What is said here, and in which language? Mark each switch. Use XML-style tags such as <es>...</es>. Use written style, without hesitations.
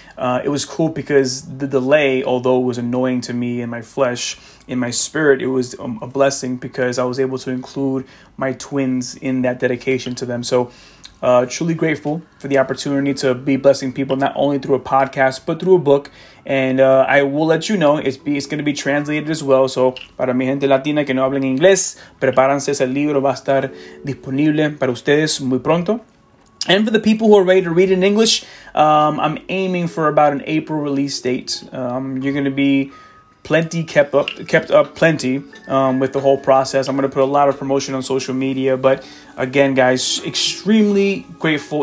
<en>It was cool because the delay, although it was annoying to me in my flesh, in my spirit, it was a blessing, because I was able to include my twins in that dedication to them. So truly grateful for the opportunity to be blessing people, not only through a podcast, but through a book. And I will let you know, it's going to be translated as well.</en> <es>So para mi gente latina que no hablan inglés, prepárense, ese libro va a estar disponible para ustedes muy pronto.</es> <en>And for the people who are ready to read in English, I'm aiming for about an April release date. You're going to be plenty kept up plenty with the whole process. I'm going to put a lot of promotion on social media. But again, guys, extremely grateful.</en>